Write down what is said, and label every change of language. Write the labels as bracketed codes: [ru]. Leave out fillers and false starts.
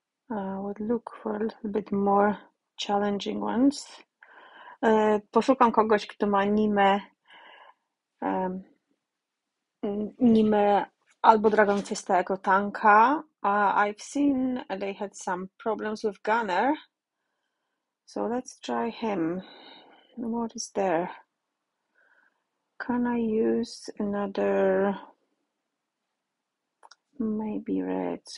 [en] Would look for a little bit more challenging ones. [pl] Poszukam kogoś, kto ma Nimę. Nimę albo Dragon Fista jako tanka. [en] I've seen they had some problems with Gunner. So let's try him. What is there? Can I use another? Maybe reds.